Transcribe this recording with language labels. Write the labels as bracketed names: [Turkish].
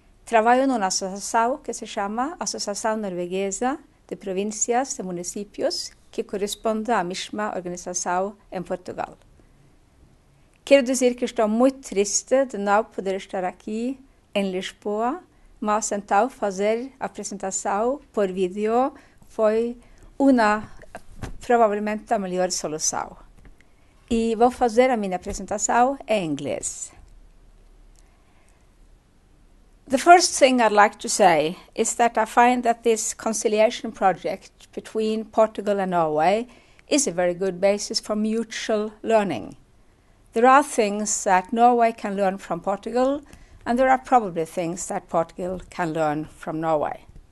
[Swedish] Jag arbetar i en association som heter Association Norvegesa de Provincias de Municipios, som korresponderar till samma organisation i Portugal. Jag vill säga att jag är mycket trist att jag inte kan vara här i Lisboa. [Portuguese] Mas então fazer a apresentação por vídeo foi uma, provavelmente, a melhor solução. E vou fazer a minha apresentação em inglês. [English] The first thing I'd like to say is that I find that this conciliation project between Portugal and Norway is a very good basis for mutual learning. There are things that Norway can learn from Portugal, and there are probably things that Portugal can learn from Norway.